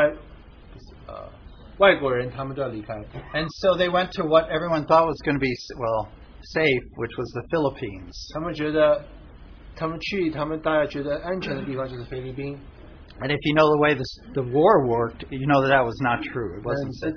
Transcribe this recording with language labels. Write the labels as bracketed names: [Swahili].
[Chinese] 所以所有外国人他们都要离开。 [English] And so they went to what everyone thought was going to be, well, safe, which was the Philippines. [Chinese] 他们大家觉得安全的地方就是菲律宾。 [English] And if you know the way the war worked, you know that was not true. It wasn't.